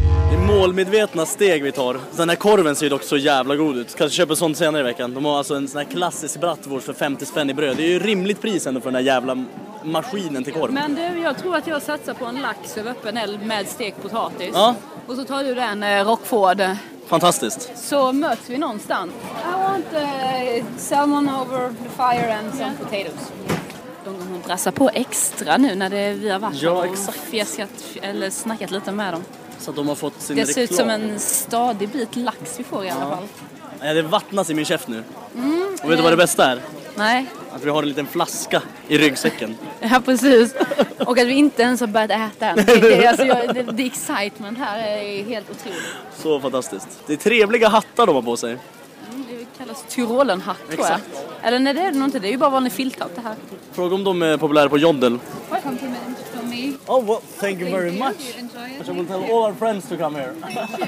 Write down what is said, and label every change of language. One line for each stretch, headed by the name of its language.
Swedish: Det är målmedvetna steg vi tar. Den här korven ser ju dock så jävla god ut. Kanske köper sånt senare i veckan. De har alltså en sån här klassisk bratwurst för 50 spänn i bröd. Det är ju rimligt pris ändå för den här jävla maskinen till korv. Men du, jag tror att jag satsar på en lax över öppen eld med stekpotatis. Ja. Och så tar du den Rockford. Fantastiskt. Så möts vi någonstans.
English: I want salmon over the fire and some potatoes.
Swedish: De drassar på extra nu när det vi har varit ja, och fjäskat, eller snackat lite med dem. Så att de har fått sin det reklam. Ser ut som en stadig bit lax vi får i alla fall. Ja, det vattnas i min käft nu. Mm, och vet du vad det bästa är? Nej. Att vi har en liten flaska i ryggsäcken. Ja, precis. Och att vi inte ens har börjat äta än.
English: The excitement
Swedish: här är helt otroligt. Så fantastiskt. Det är trevliga hattar de har på sig. Kallas Tyrolenhatt, tror jag. Eller nej, det är det nog inte. Det är ju bara vanlig filthatt det här. Fråga om de är populära på Jondel.
English: What compliment for me? Oh, well, thank you very much. I will tell all our friends to come here.